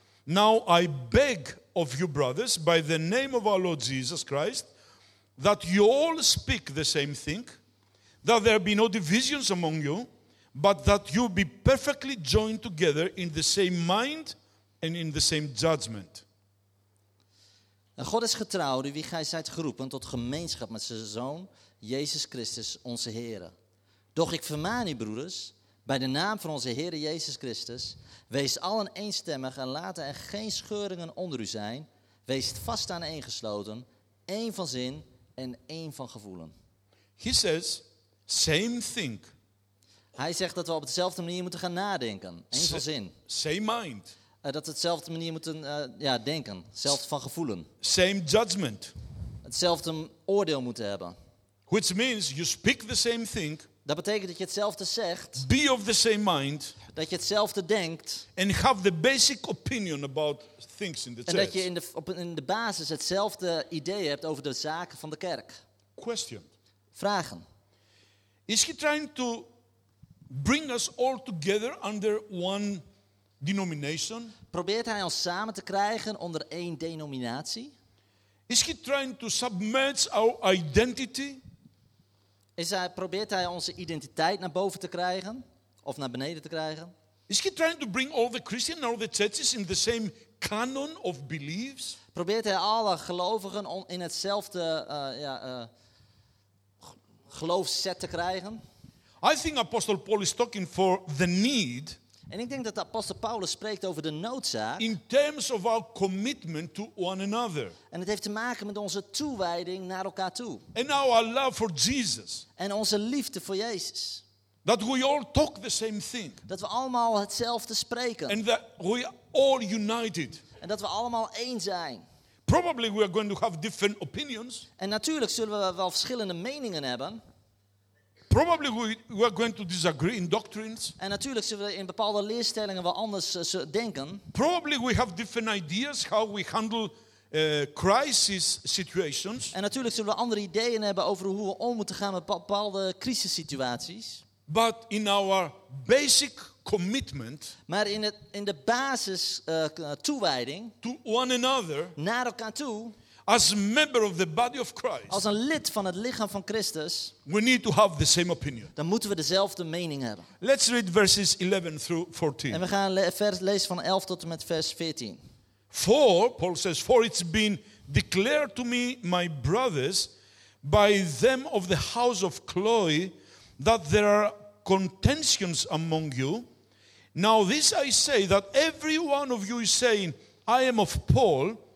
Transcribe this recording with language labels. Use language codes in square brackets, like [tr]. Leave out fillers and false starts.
[en] Now I beg of you, brothers, by the name of our Lord Jesus Christ, that you all speak the same thing, that there be no divisions among you, but that you be perfectly joined together in the same mind and in the same judgment. [nl] God is getrouw, wie gij zijt geroepen tot gemeenschap met zijn Zoon, Jezus Christus, onze Heere. Doch ik vermaan u, broeders, bij de naam van onze Heere Jezus Christus, wees allen eenstemmig en laten er geen scheuringen onder u zijn. Wees vast aan één gesloten, één van zin en één van gevoelen. [en] He says, same thing. [nl] Hij zegt dat we op dezelfde manier moeten gaan nadenken. Eén van zin. [en] Same mind. [nl] Dat we dezelfde manier moeten denken. Hetzelfde van gevoelen. [en] Same judgment. [nl] Hetzelfde oordeel moeten hebben. [en] Which means you speak the same thing. [nl] Dat betekent dat je hetzelfde zegt. [en] Be of the same mind. [nl] Dat je hetzelfde denkt. [en] And have the basic opinion about things in the church. [nl] En dat je in de basis hetzelfde idee hebt over de zaken van de kerk. [en] Question. [nl] Vragen. [en] Is he trying to bring us all together under one denomination? [nl] Probeert hij ons samen te krijgen onder één denominatie? [en] Is he trying to submerge our identity? [nl] Probeert hij onze identiteit naar boven te krijgen of naar beneden te krijgen? [en] Is he trying to bring all the Christians and all the churches in the same canon of beliefs? [nl] Probeert hij alle gelovigen in hetzelfde geloofsset te krijgen? [en] I think Apostle Paul is talking for the need. [nl] En ik denk dat apostel Paulus spreekt over de noodzaak. [en] In terms of our commitment to one another. [nl] En het heeft te maken met onze toewijding naar elkaar toe. [en] And our love for Jesus. [nl] En onze liefde voor Jezus. [en] That we all talk the same thing. [nl] Dat we allemaal hetzelfde spreken. [en] And that we are all united. [nl] En dat we allemaal één zijn. [en] Probably we are going to have different opinions. [nl] En natuurlijk zullen we wel verschillende meningen hebben. [en] Probably we are going to disagree in doctrines. [nl] En natuurlijk zullen we in bepaalde leerstellingen wel anders denken. [en] Probably we have different ideas how we handle crisis situations. [nl] En natuurlijk zullen we andere ideeën hebben over hoe we om moeten gaan met bepaalde crisissituaties. [en] But in our basic commitment. [nl] Maar in de basis toewijding. [en] To one another. [nl] Naar elkaar toe. [en] As a member of the body of Christ. [nl] Als een lid van het lichaam van Christus. [en] We need to have the same opinion. [nl] Dan moeten we dezelfde mening hebben. [en] Let's read verses 11 through 14. [nl] En we gaan lezen van 11 tot en met vers 14. [en] For, Paul says, for it's been declared to me, my brothers, by them of the house of Chloe, that there are contentions among you. Now this I say, that every one of you is saying, I am of Paul.